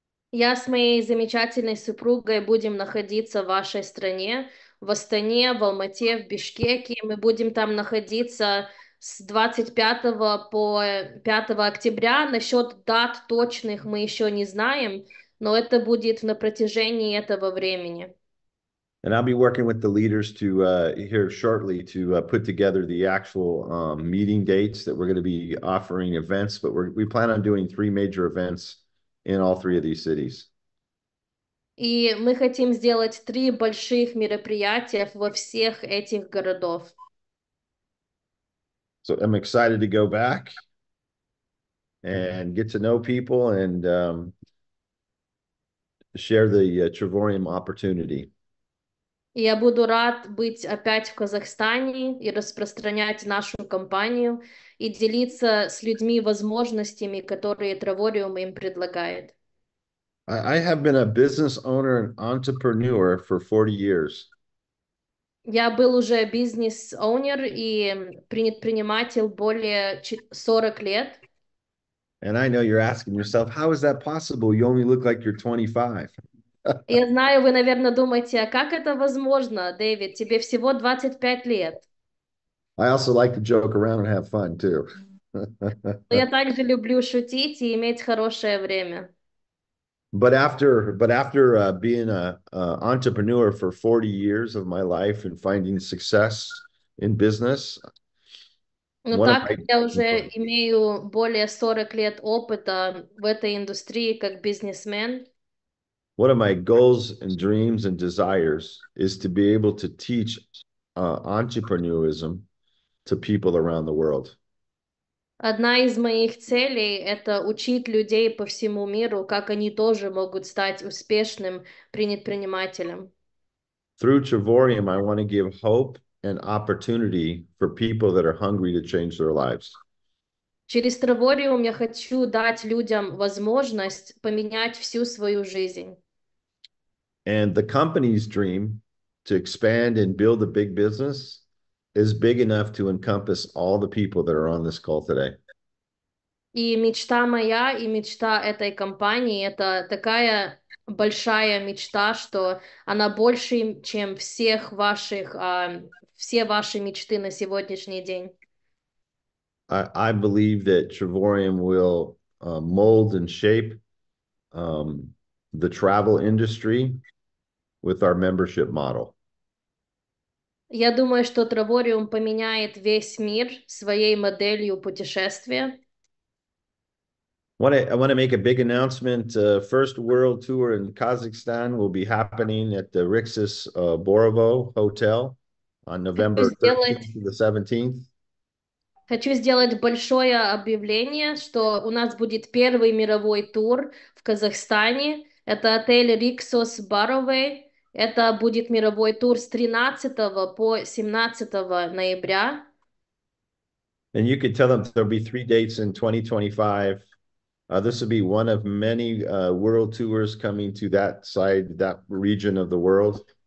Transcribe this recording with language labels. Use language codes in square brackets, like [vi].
[ru] Я с моей замечательной супругой будем находиться в вашей стране, в Астане, в Алмате, в Бишкеке. Мы будем там находиться с 25 по 5 октября. Насчет дат точных мы еще не знаем, но это будет на протяжении этого времени. [en] And I'll be working with the leaders to here shortly to put together the actual meeting dates that we're going to be offering events, but we plan on doing three major events in all three of these cities. [ru] И мы хотим сделать 3 больших мероприятия во всех этих городах. [en] So I'm excited to go back and get to know people and share the Trevorium opportunity. [ru] Я буду рад быть опять в Казахстане и распространять нашу компанию и делиться с людьми возможностями, которые Траворium им предлагает. [en] I have been a business owner and entrepreneur for 40 years. [ru] Я был уже бизнес-оунер и предприниматель более 40 лет. [en] And I know you're asking yourself, how is that possible? You only look like you're 25. [ru] Я знаю, вы, наверное, думаете, а как это возможно, Дэвид? Тебе всего 25 лет. [en] I also like to joke around and have fun too. [ru] Но я также люблю шутить и иметь хорошее время. [en] But after being an entrepreneur for 40 years of my life and finding success in business, [ru] Но [en] one [ru] так [en] of [ru] как я уже имею более 40 лет опыта в этой индустрии как бизнесмен. [en] One of my goals and dreams and desires is to be able to teach entrepreneurism to people around the world. [ru] Одна из моих целей – это учить людей по всему миру, как они тоже могут стать успешным предпринимателем. [en] Through Trevorium, I want to give hope and opportunity for people that are hungry to change their lives. [ru] Через Траворium я хочу дать людям возможность поменять всю свою жизнь. [en] And the company's dream to expand and build a big business is big enough to encompass all the people that are on this call today. [ru] И мечта моя, и мечта этой компании, это такая большая мечта, что она больше, чем всех ваших, все ваши мечты на сегодняшний день. [en] I believe that Trevorium will mold and shape the travel industry with our membership model. [ru] Я думаю, что Траворium поменяет весь мир своей моделью путешествия. [en] I want to make a big announcement. First world tour in Kazakhstan will be happening at the Rixus Borovo Hotel on November 13th to the 17th. [ru] Хочу сделать большое объявление, что у нас будет первый мировой тур в Казахстане. Это отель Rixos Borovo. Это будет мировой тур с 13 по 17 ноября. [en] And you could tell them there'll be three dates in 2025. This will be one of many world tours coming to that side, that region of the world.